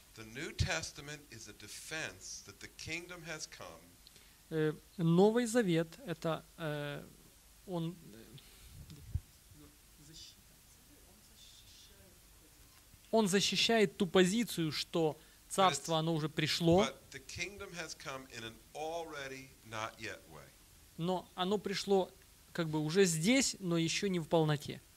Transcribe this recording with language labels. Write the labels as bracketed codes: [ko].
[en] The New Testament is a defense that the kingdom has come. [ru] Новый Завет — это он защищает ту позицию, что царство оно уже пришло. [en] But the kingdom has come in an already not yet way. [ru] Но оно пришло как бы уже здесь, но еще не в полноте.